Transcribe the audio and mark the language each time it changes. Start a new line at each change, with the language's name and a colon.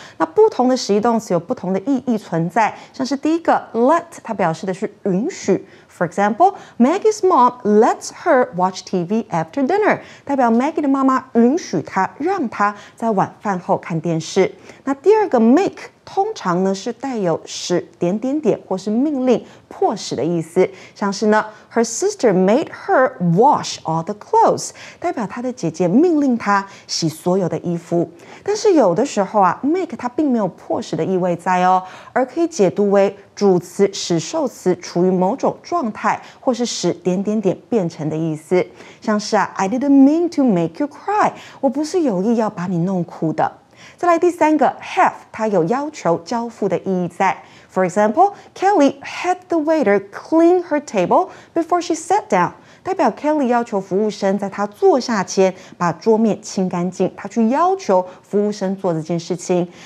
Chinese: 那不同的实义动词有不同的意义存在。像是第一个 let， 它表示的是允许。
English: For example, Maggie's mom lets her watch TV after dinner.
Chinese: 代表 Maggie 的妈妈允许她，让她在晚饭后看电视。那第二个 make 通常呢是带有使点点点或是命令、迫使的意思。像是呢
English: ，her sister made her wash all the clothes.
Chinese: 代表她的姐姐命令她洗所有的衣服。但是有的时候啊 ，make 它并没有迫使的意味在哦，而可以解读为主词使受词处于某种状态，或是使点点点变成的意思。像是啊
English: ，I didn't mean to make you cry.
Chinese: 我不是有意要把你弄哭的。再来第三个 have， 它有要求交付的意义在。
English: For example, Kelly had the waiter clean her table before she sat down.
Chinese: 代表 Kelly 要求服务生在她坐下前把桌面清干净，她去要求服务生做这件事情。